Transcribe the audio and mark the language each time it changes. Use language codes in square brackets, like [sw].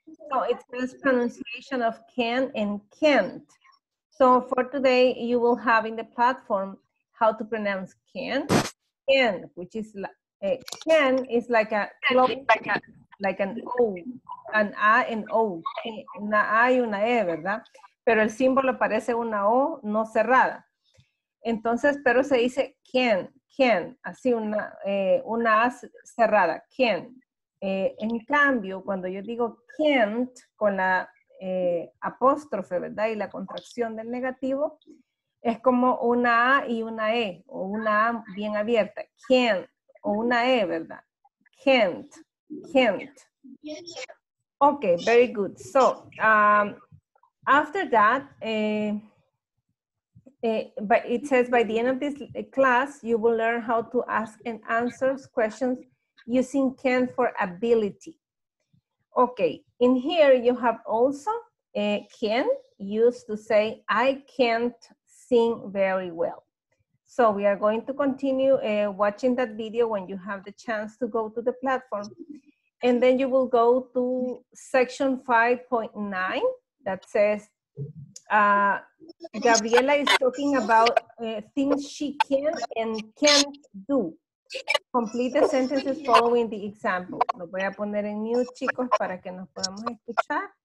[en] So it's the pronunciation of can and can't. So for today, you will have in the platform how to pronounce can, which is can is like a close, like an O, an A and O, [es] una A y una E, ¿verdad? Pero el símbolo parece una O no cerrada. Entonces, pero se dice can, así una A cerrada, can. En cambio, cuando yo digo can't con la apóstrofe, ¿verdad? Y la contracción del negativo, es como una A y una E, o una A bien abierta, can't, o una E, ¿verdad? [en] Can't. Okay, very good. So, after that, but it says by the end of this class, you will learn how to ask and answer questions using can for ability. Okay, in here you have also can used to say, I can't sing very well. So we are going to continue watching that video when you have the chance to go to the platform. And then you will go to section 5.9 that says, Gabriela is talking about things she can and can't do. Complete the sentences following the example. [es] Lo voy a poner en mute, chicos, para que nos podamos escuchar.